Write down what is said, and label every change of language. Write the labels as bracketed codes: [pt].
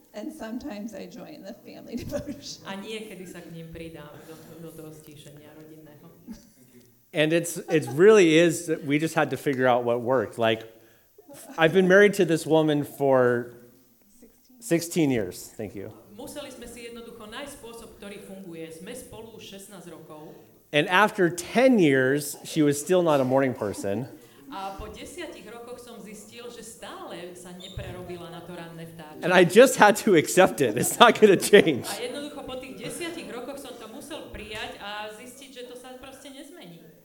[en] And sometimes I join the family devotion. [sk] A niekedy sa k ním pridám do toho stíšenia rodinného. [en] And it's really is that we just had to figure out what worked. Like, I've been married to this woman for 16 years. Thank you. [sk] Museli sme si jednoducho nájsť spôsob, ktorý funguje. Sme spolu 16 rokov. [en] And after 10 years, she was still not a morning person. [sk] A po 10 rokoch som zistil, že stále sa neprerobila na to ranné vtáča. [en] And I just had to accept it. It's not going to change. [sk] A jednoducho po tých 10 rokoch som to musel prijať a zistiť, že to sa proste nezmení.